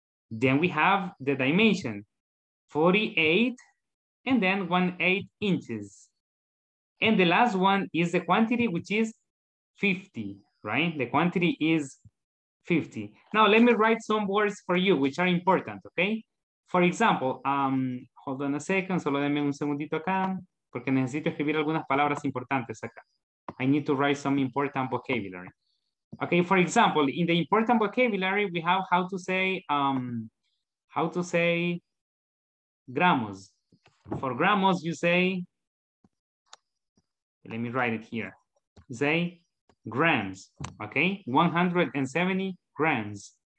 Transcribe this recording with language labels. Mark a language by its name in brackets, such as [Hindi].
[English] Then we have the dimension, 48 and then 1/8 inches. And the last one is the quantity, which is 50, right? The quantity is 50. Now, let me write some words for you, which are important, okay? For example, hold on a second, [Spanish] solo denme un segundito acá, porque necesito escribir algunas palabras importantes acá. [English] I need to write some important vocabulary. Okay, for example, in the important vocabulary, we have how to say gramos. For gramos, you say, let me write it here. Say grams, okay? 170 grams.